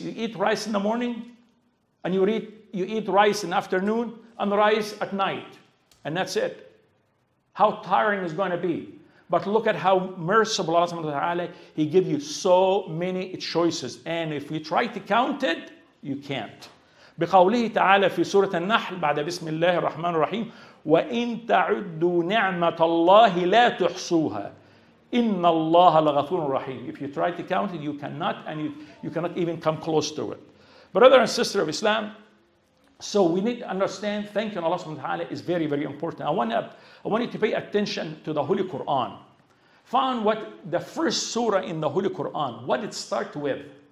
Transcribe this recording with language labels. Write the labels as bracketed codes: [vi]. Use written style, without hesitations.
[en] You eat rice in the morning, and you eat rice in the afternoon and rice at night, and that's it. How tiring is going to be? But look at how merciful Allah subhanahu wa ta'ala, He gives you so many choices. And if we try to count it, you can't. [ar] بقوله تعالى في سورة النحل بعد بسم الله الرحمن الرحيم: وإن تعدوا نعمة الله لا تحصوها إن الله لغفور رحيم. [en] If you try to count it, you cannot, and you cannot even come close to it. Brother and sister of Islam, so we need to understand thanking Allah subhanahu wa ta'ala is very, very important. I want you to pay attention to the Holy Quran. Find what the first surah in the Holy Quran, what it starts with.